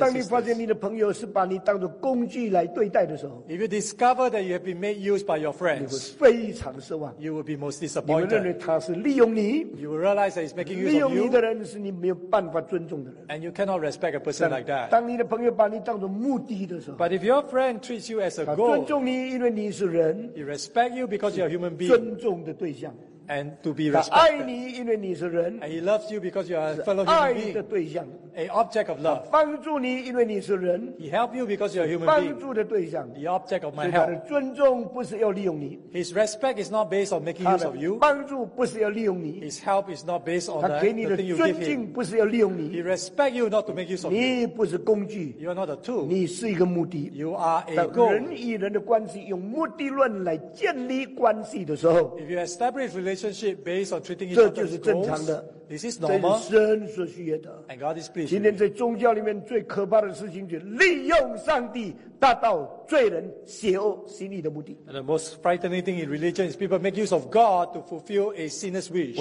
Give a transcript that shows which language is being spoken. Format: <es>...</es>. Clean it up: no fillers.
<zh>当你发现你的朋友是把你当作工具来对待的时候</zh> <en>，If you discover that you have been made use by your friends，</en> <zh>你会非常失望</zh> <en>，You will be most disappointed。</en> <zh>你们认为他是利用你</zh> <en>，You will realize that he's making use of you。</en> <zh>利用你的人是你没有办法尊重的人</zh> <en>，And you cannot respect a person like that。</en> <zh>当你的朋友把你当作目的的时候</zh> <en>，But if your friend treats you as a goal，</en> <zh>尊重你因为你是人</zh> <en>，He respects you because you're a human being。</en> <zh>尊重的对象。</zh> <en>And to be respected.</en> <zh>爱你，因为你是人。</zh> <en>And he loves you because you are a fellow human being.</en> <zh>爱的对象。</zh> <en>A object of love.</en> <zh>帮助你，因为你是人。</zh> <en>He helps you because you are a human being.</en> <zh>帮助的对象。</zh> <en>The object of my help.</en> <zh>他的尊重不是要利用你。</zh> <en>His respect is not based on making use of you.</en> <zh>帮助不是要利用你。</zh> <en>His help is not based on the thing you give him.</en> <zh>他给你的尊敬不是要利用你。</zh> <en>He respects you not to make use of you.</en> <zh>你不是工具。</zh> <en>You are not a tool.</en> <zh>你是一个目的。</zh> <en>You are a goal.</en> <zh>人与人的关系用目的论来建立关系的时候</zh> <en>，If you establish relationship based on treating</en> <zh>这就是正常的</zh> <en>This is normal.</en> <zh>这是神所需要的</zh> <en>And God is pleased.</en> <zh>今天在宗教里面最可怕的事情就是利用上帝达到罪人邪恶心理的目的</zh> <en>And the most frightening thing in religion is people make use of God to fulfill a sinner's wish.</en>